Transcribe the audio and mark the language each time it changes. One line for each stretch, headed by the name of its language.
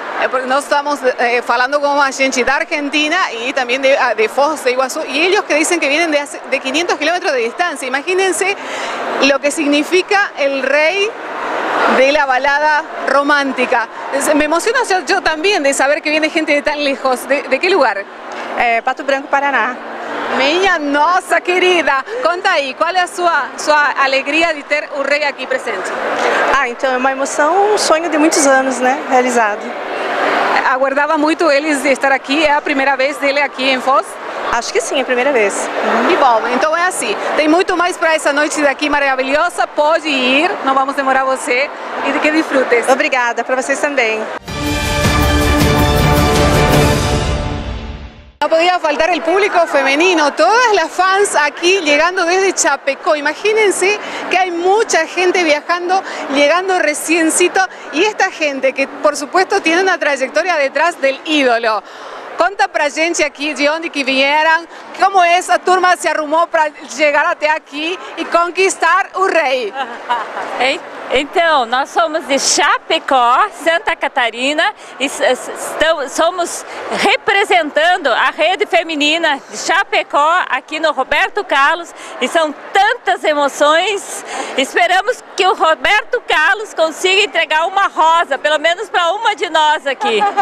Spanish: Porque nosotros estamos hablando con una gente de Argentina y también de Foz de Iguazú, y ellos que dicen que vienen de 500 kilómetros de distancia. Imagínense lo que significa el rey de la balada romántica. Me emociona yo también de saber que viene gente de tan lejos. ¿De qué lugar? Pato Branco, Paraná.
Portuguese: Miña nossa querida, conta aí, qual é a sua alegria de ter o rei aqui presente? Ah, então é uma emoção, um sonho de muitos anos, né, realizado. Aguardava muito ele estar aqui, é a primeira vez dele aqui em Foz? Acho que sim, é a primeira vez. Que bom, então é assim, tem muito mais para essa noite daqui maravilhosa, pode ir, não vamos demorar você, e
Spanish: que disfrute.
Portuguese: Obrigada, para vocês também.
Spanish: No podía faltar el público femenino, todas las fans aquí llegando desde Chapecó. Imagínense que hay mucha gente viajando, llegando reciéncito, y esta gente que por supuesto tiene una trayectoria detrás del ídolo.
Portuguese: Conta para gente
Spanish: aquí de dónde que vinieran, cómo esa turma se arrumó para llegar hasta aquí y conquistar un rey. ¿Eh?
Portuguese: Então, nós somos de Chapecó, Santa Catarina, e somos representando a rede feminina de Chapecó aqui no Roberto Carlos, e são tantas emoções. Esperamos que o Roberto Carlos consiga entregar uma rosa, pelo menos para uma de nós aqui.